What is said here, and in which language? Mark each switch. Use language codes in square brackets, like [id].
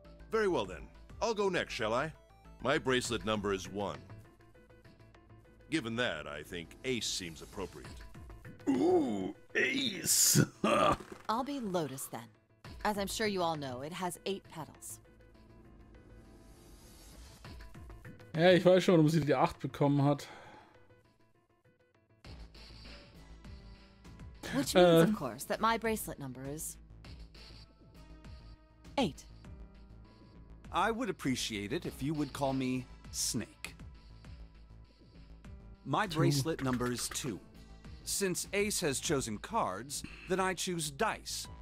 [en] Very well then. I'll go next, shall I? My bracelet number is one. Given that, I think Ace seems appropriate. Ooh, Ace! I'll be Lotus then. As I'm sure you all know, it has eight petals. [de] Ja, ich weiß schon, warum sie die 8 bekommen hat. [en] Which means, of course, that my bracelet number is... 8. I would appreciate it if you would call me Snake. My bracelet number is 2. Since Ace has chosen cards, then I choose dice.